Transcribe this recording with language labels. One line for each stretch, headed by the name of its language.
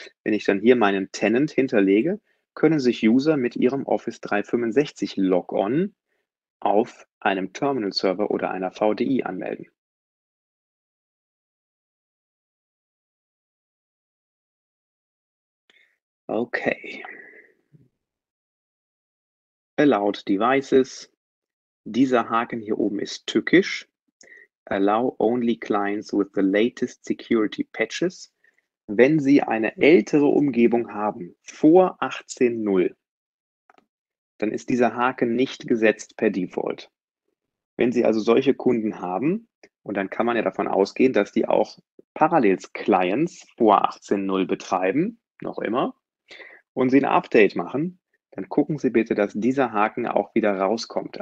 German: Wenn ich dann hier meinen Tenant hinterlege, können sich User mit ihrem Office 365-Logon auf einem Terminal-Server oder einer VDI anmelden. Okay. Allowed Devices. Dieser Haken hier oben ist tückisch.
English: Allow only clients with the latest security patches.
German: Wenn Sie eine ältere Umgebung haben, vor 18.0, dann ist dieser Haken nicht gesetzt per Default. Wenn Sie also solche Kunden haben, und dann kann man ja davon ausgehen, dass die auch Parallels-Clients vor 18.0 betreiben, noch immer, und Sie ein Update machen, dann gucken Sie bitte, dass dieser Haken auch wieder rauskommt.